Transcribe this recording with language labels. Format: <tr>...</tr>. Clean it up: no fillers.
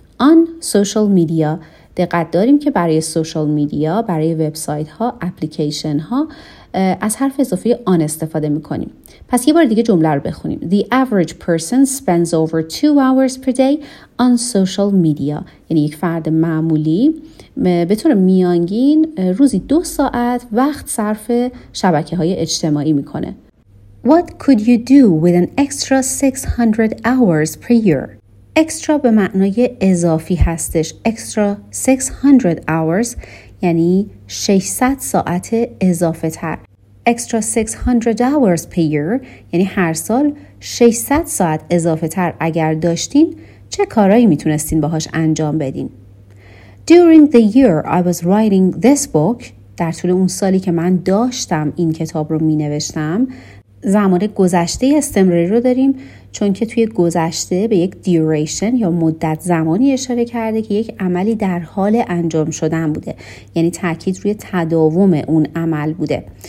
<en>on social media</en> <fa>دقت داریم که برای social media، برای وبسایت ها، اپلیکیشن ها از حرف اضافه آن استفاده میکنیم. پس یه بار دیگه جمله رو بخونیم.</fa> <en>The average person spends over 2 hours per day on social media.</en> <fa>یعنی یک فرد معمولی به طور میانگین روزی 2 ساعت وقت صرف شبکه های اجتماعی میکنه.</fa> <en>What could you do with an extra 600 hours per year?</en> <fa>Extra به معنای اضافی هستش.</fa> <en>Extra 600 hours</en> <fa>یعنی 600 ساعت اضافه تر.</fa> <en>Extra 600 hours per year</en> <fa>یعنی هر سال 600 ساعت اضافه تر اگر داشتین چه کارایی میتونستین باهاش انجام بدین؟</fa> <en>During the year I was writing this book</en> <fa>در طول اون سالی که من داشتم این کتاب رو مینوشتم زمان گذشته استمراری رو داریم چون که توی گذشته به یک duration یا مدت زمانی اشاره کرده که یک عملی در حال انجام شدن بوده یعنی تاکید روی تداوم اون عمل بوده</fa>